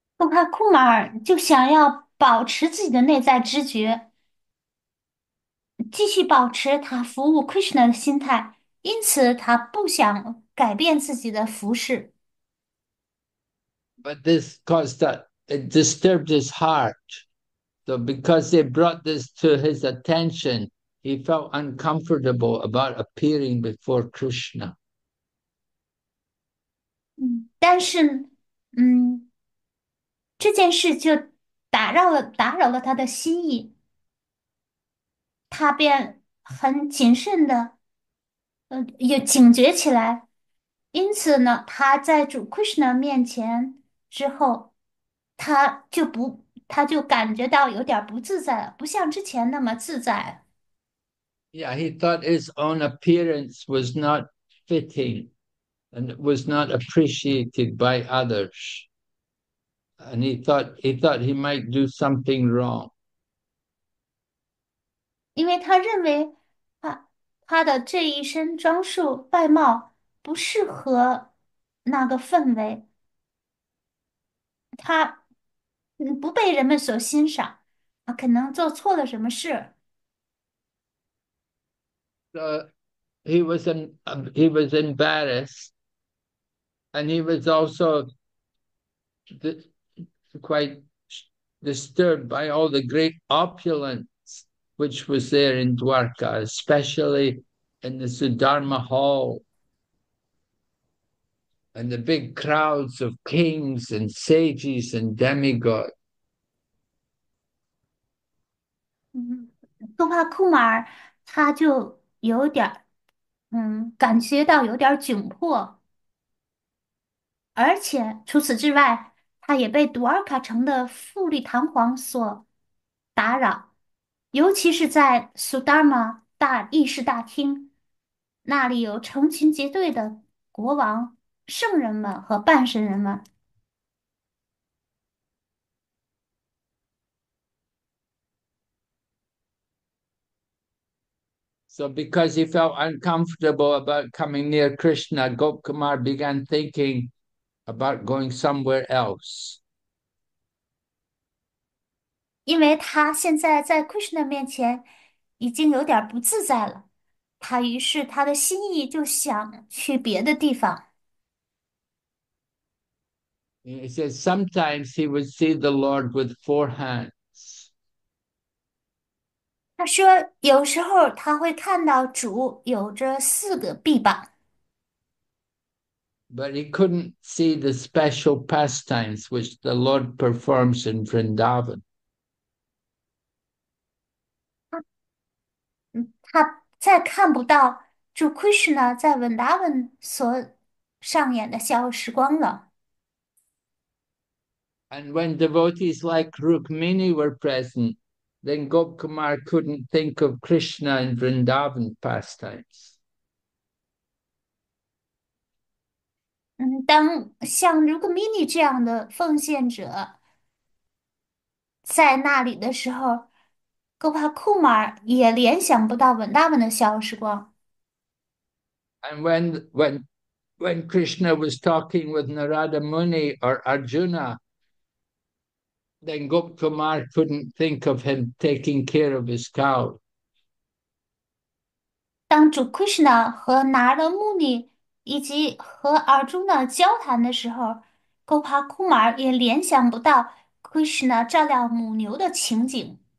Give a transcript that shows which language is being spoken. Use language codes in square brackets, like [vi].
[zh] 他库马尔就想要保持自己的内在知觉，继续保持他服务 Krishna 的心态，因此他不想改变自己的服饰。 [en] But this caused that it disturbed his heart. So, because they brought this to his attention, he felt uncomfortable about appearing before Krishna. [zh] 但是，这件事就打扰了他的心意，他便很谨慎的，也警觉起来。因此呢，他在主 Krishna 面前之后，他就感觉到有点不自在了，不像之前那么自在。 [en] Yeah, he thought his own appearance was not fitting and was not appreciated by others. And he thought he might do something wrong. [zh] 因为他认为他的这一身装束外貌不适合那个氛围，他不被人们所欣赏，啊，可能做错了什么事。 [en] He was embarrassed, and he was also quite disturbed by all the great opulence which was there in Dwarka, especially in the Sudharma Hall, and the big crowds of kings and sages and demigods. [zh] 东帕库马尔，他就有点儿，感觉到有点窘迫。而且除此之外，他也被杜尔卡城的富丽堂皇所打扰，尤其是在苏达玛大议事大厅，那里有成群结队的国王、圣人们和半神人们。 [en] So, because he felt uncomfortable about coming near Krishna, Gopkumar began thinking about going somewhere else. [zh] 因为他现在在 Krishna 面前已经有点不自在了，于是他的心意就想去别的地方。 [en] He says sometimes he would see the Lord with four hands. [zh] 他说，有时候他会看到主有着四个臂膀。 [en] But he couldn't see the special pastimes which the Lord performs in Vrindavan. [zh] 他再看不到主 Krishna 在 Vrindavan 所上演的逍遥时光了。 [en] And when devotees like Rukmini were present, then Gopkumar couldn't think of Krishna in Vrindavan pastimes. [zh] 当像 Rukmini 这样的奉献者在那里的时候，哥帕库马尔也联想不到文大文的逍遥时光。 [en] And when Krishna was talking with Narada Muni or Arjuna, then Gopkumar couldn't think of him taking care of his cow. [zh] 当主 Krishna 和拿勒穆尼以及和阿朱娜交谈的时候，哥帕库马尔也联想不到 Krishna 照料母牛的情景。